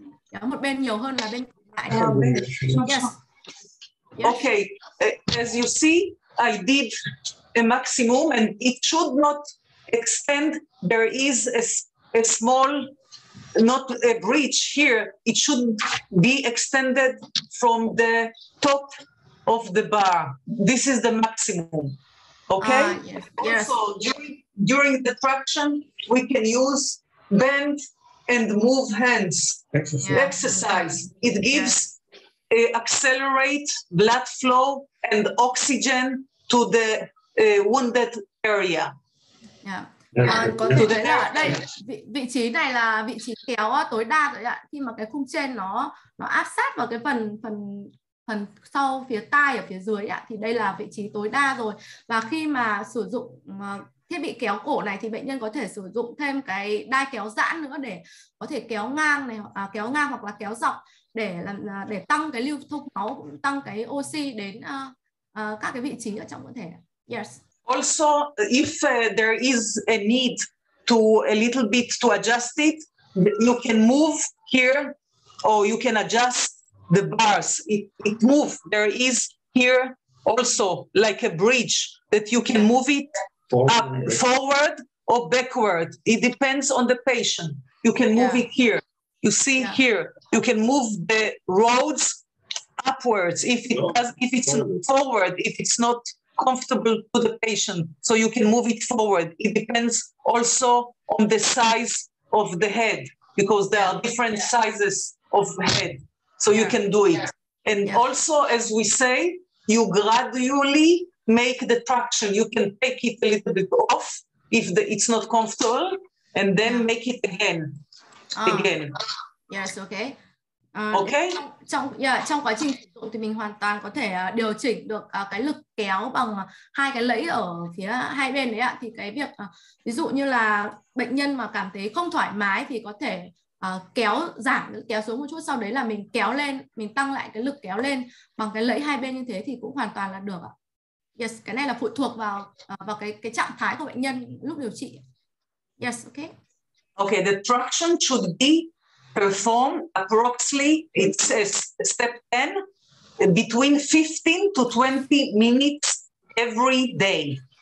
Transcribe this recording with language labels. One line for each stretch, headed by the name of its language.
Vietnamese: Kéo một bên nhiều hơn là bên lại.
English: Yes. Okay, as you see, I did a maximum and it should not extend. There is a small, not a breach here. It should be extended from the top of the bar. This is the maximum. Okay? Yes. Also, during the traction, we can use bend and move hands. Exercise. Yeah. It gives accelerate blood flow and oxygen to the wounded area. Yeah.
Vietnamese: Vị trí này là vị trí kéo tối đa rồi ạ. Khi mà cái khung trên nó áp sát vào cái phần sau phía tai ở phía dưới ạ, thì đây là vị trí tối đa rồi. Và khi mà sử dụng thiết bị kéo cổ này thì bệnh nhân có thể sử dụng thêm cái đai kéo giãn nữa để có thể kéo ngang này, kéo ngang hoặc là kéo dọc để tăng cái lưu thông máu, tăng cái oxy đến các cái vị trí ở trong cơ thể.
English: Yes. Also, if there is a need to a little bit to adjust it, you can move here or you can adjust the bars. It move. There is here also like a bridge that you can move it. Forward or backward. It depends on the patient. You can move it here. You see here. You can move the rods upwards if it's forward, if it's not comfortable to the patient. So you can move it forward. It depends also on the size of the head because there are different sizes of head. So you can do it. And also, as we say, you gradually make the traction. You can take it a little bit off if the, it's not comfortable, and then make it again. Yes, okay. Okay.
Vietnamese: Trong quá trình sử dụng thì mình hoàn toàn có thể điều chỉnh được cái lực kéo bằng hai cái lẫy ở phía hai bên đấy ạ. Thì cái việc ví dụ như là bệnh nhân mà cảm thấy không thoải mái thì có thể kéo giảm lực kéo xuống một chút, sau đấy là mình kéo lên, mình tăng lại cái lực kéo lên bằng cái lẫy hai bên như thế thì cũng hoàn toàn là được ạ.
English: Yes,
Vietnamese: cái này là phụ thuộc vào vào cái trạng thái của bệnh nhân lúc điều trị.
English: Yes, okay. Okay, the traction should be performed approximately, it's step 10, between 15 to 20 minutes every day.